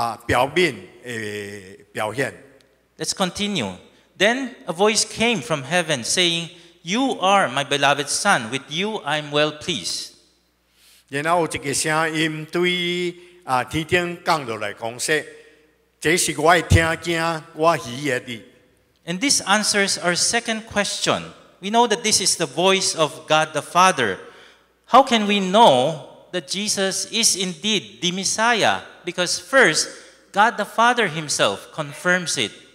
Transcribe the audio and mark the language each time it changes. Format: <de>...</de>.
<nan>第二是以能力，这是受膏抹表面的表现。</nan> <en>Let's continue. Then a voice came from heaven saying, "You are my beloved son, with you I am well pleased."</en> <nan>然后有一个声音对天顶降下来说，这是我的听见，我喜悦的。</nan> <en>And this answers our second question. We know that this is the voice of God the Father. How can we know that Jesus is indeed the Messiah? Because first, God the Father himself confirms it.</en>